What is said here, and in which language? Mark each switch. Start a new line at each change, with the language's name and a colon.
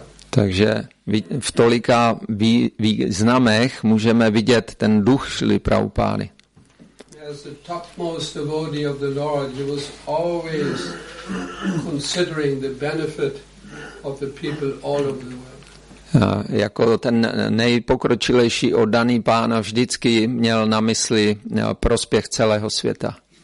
Czech: Takže v tolika významech můžeme vidět ten duch Šrily Prabhupády.
English: As the topmost devotee of the Lord, he was always considering the benefit of the people all over the world.
Czech: Jako ten nejpokročilejší oddaný pán vždycky měl na mysli prospěch celého světa.